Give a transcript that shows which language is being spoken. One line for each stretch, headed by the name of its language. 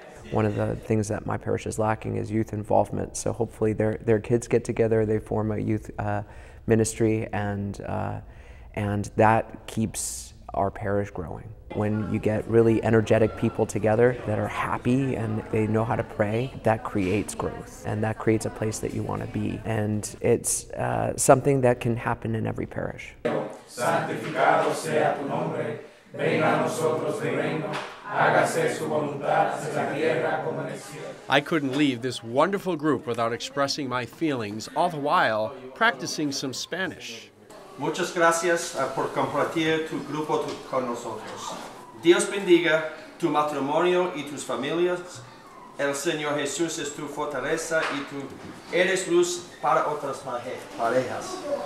English: One of the things that my parish is lacking is youth involvement. So hopefully their kids get together, they form a youth ministry, and that keeps our parish growing. When you get really energetic people together that are happy and they know how to pray, that creates growth and that creates a place that you want to be. And it's something that can happen in every parish.
Spanish: Santificado sea tu nombre, venga a nosotros el reino, hágase su voluntad en la tierra como en el cielo.
English: I couldn't leave this wonderful group without expressing my feelings, all the while practicing some Spanish.
Spanish: Muchas gracias por compartir tu grupo con nosotros. Dios bendiga tu matrimonio y tus familias. El Señor Jesús es tu fortaleza y tú eres luz para otras parejas.